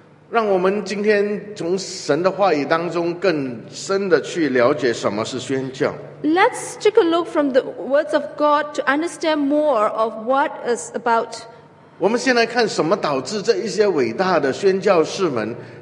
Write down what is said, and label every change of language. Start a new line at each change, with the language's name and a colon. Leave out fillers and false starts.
Chinese: 让我们今天从神的话语当中更深的去了解什么是宣教。
English: Let's take a look from the words of God to understand more of what is about.
Chinese: 我们先来看什么导致这一些伟大的宣教士们。